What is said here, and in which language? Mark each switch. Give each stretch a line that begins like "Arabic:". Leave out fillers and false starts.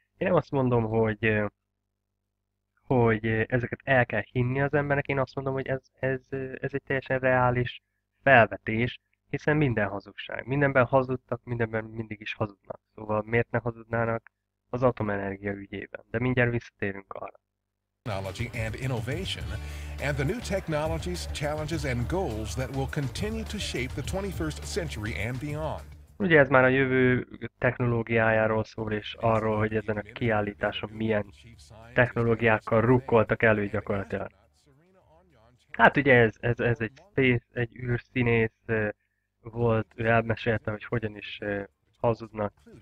Hungarian: Én nem azt mondom, hogy ezeket el kell hinni az embernek, én azt mondom, hogy ez egy teljesen reális felvetés, hiszen minden hazugság. Mindenben hazudtak, mindenben mindig is hazudnak. Szóval miért ne hazudnának az atomenergia ügyében? De mindjárt visszatérünk arra.
English: Technology and innovation, and the new technologies, challenges, and goals that will continue to shape the 21st century and beyond.
Hungarian: Ugye ez már a jövő technológiájáról szól, és arról, hogy ezen a kiállításon milyen technológiákkal rukkoltak elő gyakorlatilag. Hát ugye ez egy space, egy űrszínész volt, ő elmesélte, hogy hogyan is hazudnak.